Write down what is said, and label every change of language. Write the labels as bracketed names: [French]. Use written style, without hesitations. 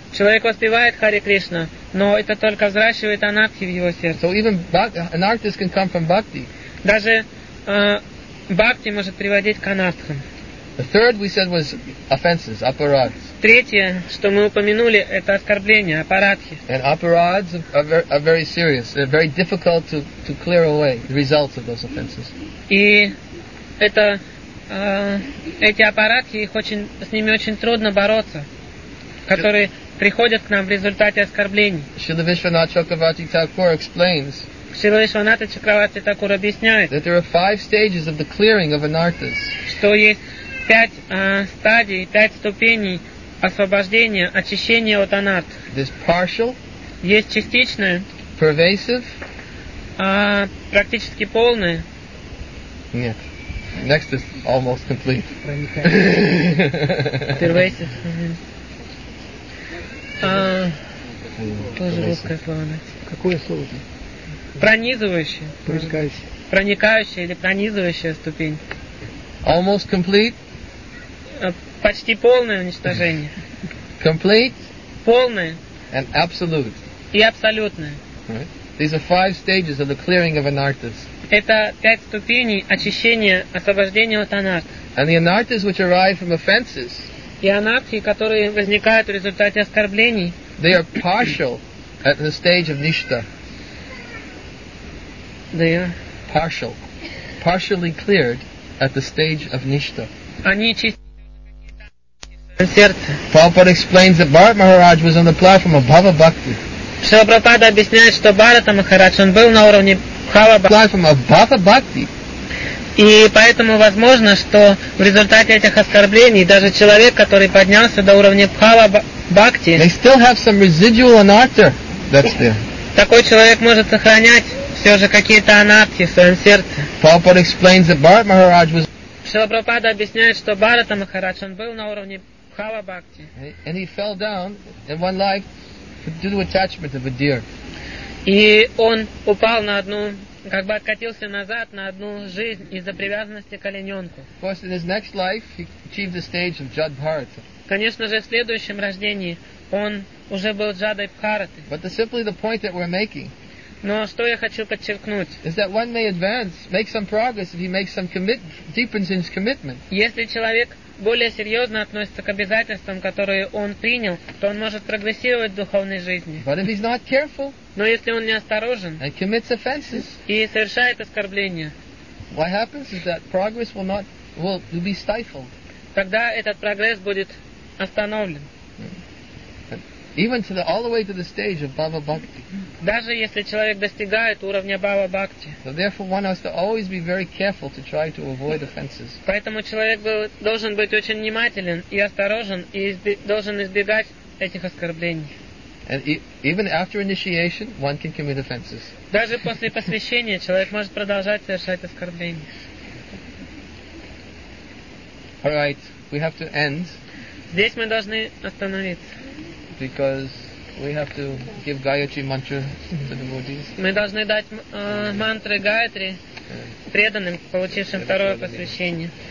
[Russian] Человек воспевает Харе Кришна, но это только взращивает анартхи в его сердце. [English] So even anarthas can come from bhakti. [Russian] Даже бхакти может приводить к анартхам. [English] The third we said was offenses, aparads. [Russian] Третье, что мы упомянули, это оскорбления, апарадхи. [English] And aparads are very serious. They're very difficult to clear away the results of those offenses. [Russian] И это эти апарадхи, их очень, с ними очень трудно бороться, которые приходят к нам в результате оскорблений. [English] Шрила Вишванатха Чакравати Такур explains. [Russian] Шрила Вишванатха Чакравати Такур объясняет. [English] That there are five stages of the clearing of anarthas. [Russian] Что есть пять стадий, пять ступеней освобождения, очищения от анарт. [English] This partial, [Russian] есть частичное, [English] pervasive, [Russian] практически полное. Нет. [English] Next is almost complete. Pervasive. [Russian] Тоже русское слово. Какое слово? Пронизывающее. Проникающее. проникающая или пронизывающая ступень. [English] Almost complete. [Russian] Почти полное уничтожение. [English] Complete. [Russian] Полное. [English] And absolute. [Russian] И абсолютное. [English] Right. These are five stages of the clearing of anarthas. [Russian] Это пять ступеней очищения, освобождения от анарт. [English] And the anarthas which arise from offenses. [Russian] И анархи, которые возникают в результате оскорблений. [English] They are partial at the stage of ништа. They are partial, partially cleared at the stage of ништа. [Russian] Они чистят. Сердце. [English] Prabhupada explains that Bharata Maharaj was on the platform of Bhava Bhakti. [Russian] Шрила Прабхупада объясняет, что Бхарата Махарадж он был на уровне Бхава Бхакти. [English] Platform of Bhava Bhakti. [Russian] И поэтому возможно, что в результате этих оскорблений даже человек, который поднялся до уровня Бхава Бхакти, [English] they still have some residual anartha that's there. [Russian] Такой человек может сохранять все же какие-то анартхи в своем сердце. [English] Prabhupada explains that Bharata Maharaj was. [Russian] Шрила Прабхупада объясняет, что Бхарата Махарадж он был на уровне [English] And he fell down in one life due to attachment of a deer. [Russian] И он упал на одну, как бы откатился назад на одну жизнь из-за привязанности к олененку. [English] Of course, in his next life, he achieved the stage of Jad Bharata. [Russian] Конечно же, в следующем рождении он уже был Джадой Бхараты. [English] But simply the point that we're making. [Russian] Но что я хочу подчеркнуть? [English] Is that one may advance, make some progress if he makes some commit, deepens his commitment. [Russian] Если человек более серьезно относится к обязательствам, которые он принял, то он может прогрессировать в духовной жизни. [English] But if he's not careful, [Russian] но если он неосторожен [English] and commits offenses, [Russian] и совершает оскорбления, [English] what happens is that progress will not, will be stifled. [Russian] Тогда этот прогресс будет остановлен. [English] Even to the, all the way to the stage of Bhava Bhakti. [Russian] Даже если человек достигает уровня Бхава Бхакти. [English] So therefore one has to always be very careful to try to avoid offenses. [Russian] Поэтому человек должен быть очень внимателен и осторожен и должен избегать этих оскорблений. [English] And even after initiation, one can commit offenses. [Russian] Даже после посвящения человек может продолжать совершать оскорбления. [English] All right, we have to end. [Russian] Здесь мы должны остановиться. [English] Because we have to give Gayatri mantra to the devotees. [Russian] Мы должны дать мантры Гаятри преданным, получившим второе посвящение.